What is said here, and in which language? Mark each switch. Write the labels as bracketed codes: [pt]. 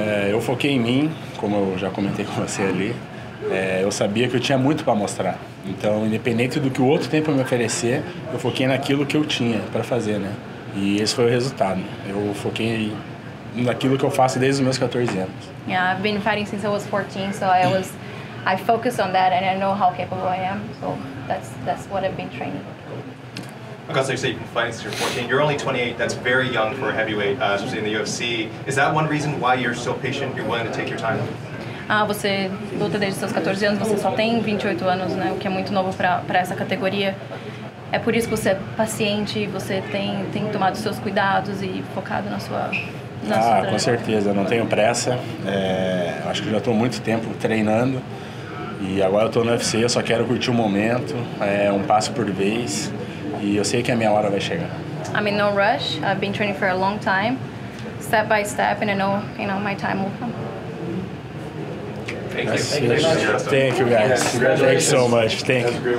[pt] Eu foquei em mim, como eu já comentei com você ali. Eu sabia que eu tinha muito para mostrar. Então, independente do que o outro tempo me oferecer, eu foquei naquilo que eu tinha para fazer, né? E esse foi o resultado. Eu foquei naquilo que eu faço desde os meus 14 anos. [en] Yeah, I've been fighting since I was 14, so I focused on that and I know how capable I am. So that's what I've been training. Augusto, you say you've been fighting since you're 14. You're only 28. That's very young for a heavyweight, especially in the UFC. Is that one reason why you're so patient? You're willing to take your time? [pt] Você luta desde seus 14 anos, você só tem 28 anos, né? O que é muito novo para essa categoria. É por isso que você é paciente, você tem tomado seus cuidados e focado na sua trajetória. Com certeza, não tenho pressa. Acho que já estou muito tempo treinando E agora eu tô no UFC, eu só quero curtir o momento, um passo por vez, e eu sei que a minha hora vai chegar. [en] I'm in no rush. I've been training for a long time, step by step, and I know, you know, my time will come. Thank you. Thank you, guys. Thank you so much. Thank you.